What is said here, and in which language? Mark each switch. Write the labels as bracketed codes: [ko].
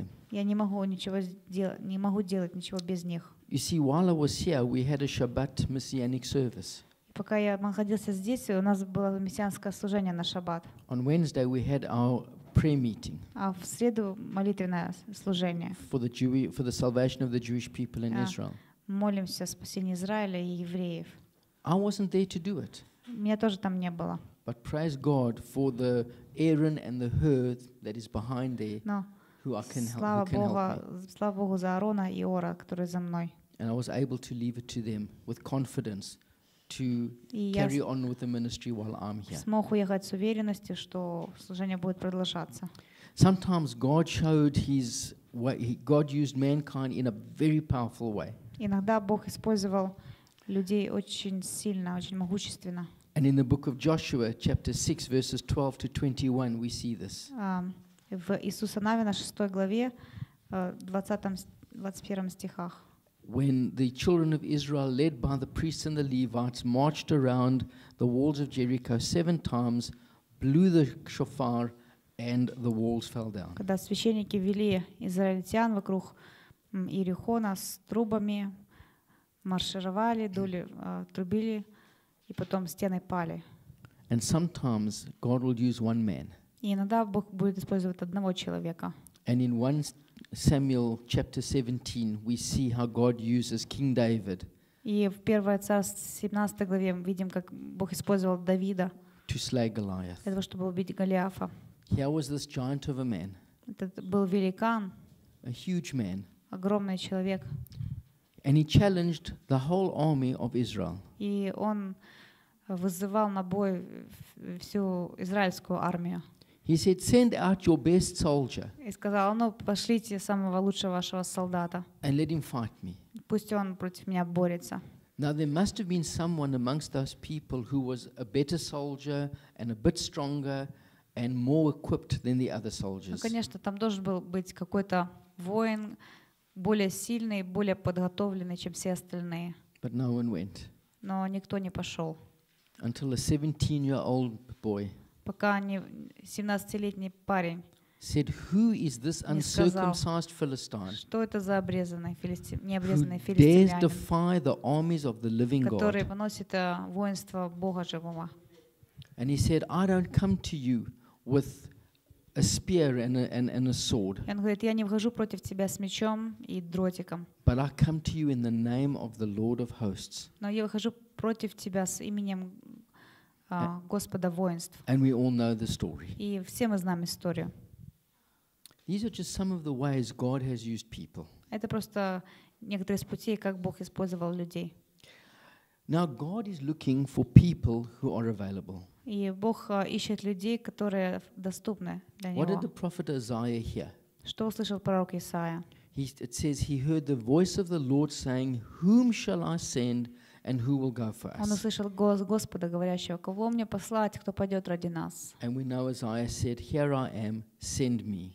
[ru] Я не могу делать ничего без них. [en] You see, while I was here, we had a Shabbat messianic service. [ru] Пока я находился здесь, у нас было мессианское служение на Шаббат. [en] On Wednesday we had our prayer meeting. [ru] А в среду молитвенное служение. [en] For the salvation of the Jewish people in Israel. [ru] Молимся о спасении Израиля и евреев. [en] I wasn't there to do it. [ru] Меня тоже там не было. [en] But praise God for the Aaron and the Hur that is behind there, no. Who I can help. [ru] Слава Богу, слава Богу за Аарона и Ора, которые за мной. [en] And I was able to leave it to them with confidence to carry on with the ministry while I'm here. [ru] Смог уехать с уверенностью, что служение будет продолжаться. [en] Sometimes God showed His way. God used mankind in a very powerful way. [ru] Иногда Бог использовал людей очень сильно, очень могущественно. [en] And in the book of Joshua, chapter 6, verses 12 to 21, we see this. [ru] В Иисуса Навина, 6 главе, 21 стихах. [en] When the children of Israel, led by the priests and the Levites, marched around the walls of Jericho 7 times, blew the shofar, and the walls fell down. [ru] Когда священники вели израильтян вокруг Иерихона с трубами, маршировали, дули, трубили, и потом стены пали. [en] And sometimes God will use one man. [ru] И иногда Бог будет использовать одного человека. [en] And in 1 Samuel chapter 17 we see how God uses King David. [ru] И в 1 Царств 17 главе мы видим, как Бог использовал Давида. [en] To slay Goliath. [ru] Для того, чтобы убить Голиафа. [en] Here was this giant of a man. [ru] Это был великан. [en] A huge man. [ru] Огромный человек. [en] And he challenged the whole army of Israel. [ru] И он вызывал на бой всю израильскую армию. [en] He said, "Send out your best soldier." [ru] И сказал: "Ну, пошлите самого лучшего вашего солдата." [en] And let him fight me. [ru] Пусть он против меня борется. [en] Now there must have been someone amongst those people who was a better soldier and a bit stronger and more equipped than the other soldiers. [ru] Ну, конечно, там должен был быть какой-то воин более сильный, более подготовленный, чем все остальные. [en] But no one went. [ru] Но никто не пошел. [en] Until a 17-year-old boy. [ru] Пока не 17-летний парень. [en] Said, who is this uncircumcised Philistine? [ru] Что это за необрезанный филистимлянин? [en] Who dares defy the armies of the living God? [ru] Который выносит воинство Бога живого. [en] And he said, I don't come to you with a spear and a sword. [ru] И он говорит, я не вхожу против тебя с мечом и дротиком. [en] But I come to you in the name of the Lord of hosts. [ru] Но я выхожу против тебя с именем Господа воинств. [en] And we all know the story. [ru] И все мы знаем историю. [en] These are just some of the ways God has used people. [ru] Это просто некоторые из путей, как Бог использовал людей. [en] Now God is looking for people who are available. [ru] И Бог ищет людей, которые доступны для него. [en] What did the prophet Isaiah hear? [ru] Что услышал пророк Исаия? [en] It says he heard the voice of the Lord saying, "Whom shall I send?" And who will go for us? [ru] Он услышал голос Господа, говорящего, кого мне послать, кто пойдет ради нас. [en] And we know Isaiah said, "Here I am, send me."